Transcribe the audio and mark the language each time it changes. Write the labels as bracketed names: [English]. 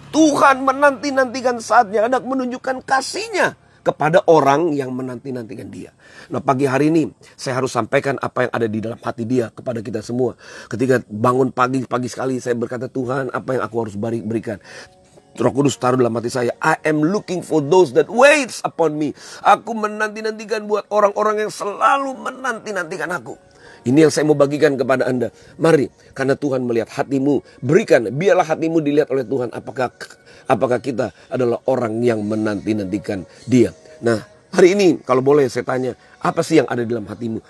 [Indonesian] Tuhan menanti-nantikan saatnya hendak menunjukkan kasih-Nya kepada orang yang menanti-nantikan Dia. Nah pagi hari ini saya harus sampaikan apa yang ada di dalam hati Dia kepada kita semua. Ketika bangun pagi-pagi sekali saya berkata, Tuhan apa yang aku harus berikan. Roh Kudus taruh dalam hati saya. [English] I am looking for those that waits upon me. [Indonesian] Aku menanti-nantikan buat orang-orang yang selalu menanti-nantikan aku. Ini yang saya mau bagikan kepada Anda. Mari, karena Tuhan melihat hatimu. Berikan, biarlah hatimu dilihat oleh Tuhan. Apakah kita adalah orang yang menanti-nantikan Dia. Nah, hari ini kalau boleh saya tanya. Apa sih yang ada dalam hatimu?